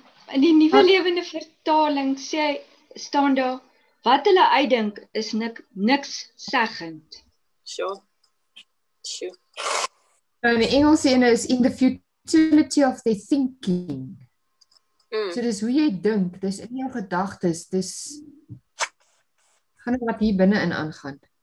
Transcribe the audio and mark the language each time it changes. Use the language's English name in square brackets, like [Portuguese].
[Afrikaans] In die nuwe lewende vertaling sê staan daar wat hulle uitdink is niks seggend. [English] Sure. [Afrikaans] In die Engels sê is [English] in the futility of their thinking. [Afrikaans] So dis hoe jy dink, dis in jou gedagtes, dis gaan wat hier binne in aangaan.